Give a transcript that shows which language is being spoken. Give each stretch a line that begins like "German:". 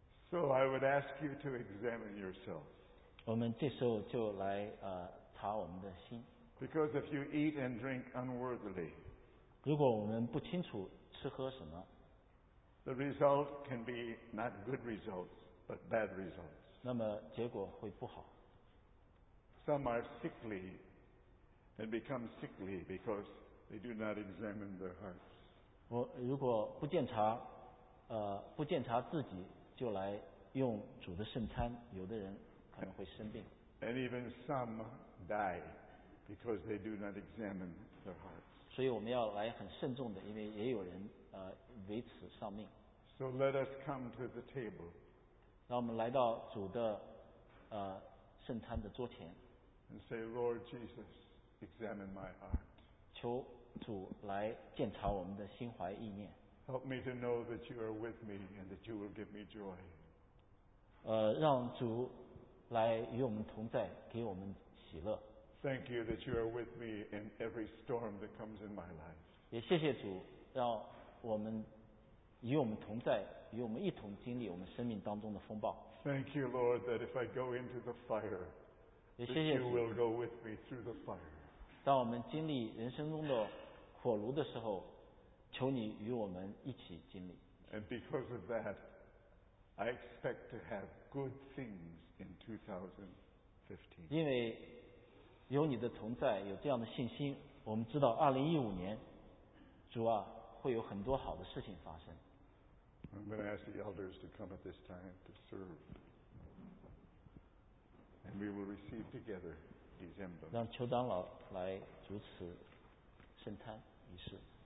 English: So I would ask you to examine yourself.
Chinese: 我们这时候就来查我们的心。
English: Because if you eat and drink unworthily,
Chinese: 如果我们不清楚吃喝什么
English: ，the result can be not good results but bad results.
Chinese: 那么结果会不好。
English: Some are sickly and become sickly because they do not examine their hearts.
Chinese: 我如果不检查，不检查自己。就来用主的圣餐，有的人可能会生病。
English: And even some die because they do not examine their hearts.
Chinese: 所以我们要来很慎重的，因为也有人为此丧命。
English: So let us come to the table.
Chinese: 让我们来到主的圣餐的桌前。
English: And say, Lord Jesus, examine my heart.
Chinese: 求主来检查我们的心怀意念。
English: Help me to know that you are with me and that you will give me joy.
Chinese: 让主来与我们同在，给我们喜乐。
English: Thank you that you are with me in every storm that comes in my life.
Chinese: 也谢谢主，让我们与我们同在，与我们一同经历我们生命当中的风暴。
English: Thank you, Lord, that if I go into the fire,
Chinese: 也谢谢主
English: that you will go with me through the fire.
Chinese: 当我们经历人生中的火炉的时候。求你与我们一起经历。
English: And because of that, I expect to have good things in 2015.
Chinese: 因为有你的同在，有这样的信心，我们知道2015年，主啊，会有很多好的事情发生。
English: I'm going to ask the elders to come at this time to serve, and we will receive together December.
Chinese: 让酋长老来主持圣餐仪式。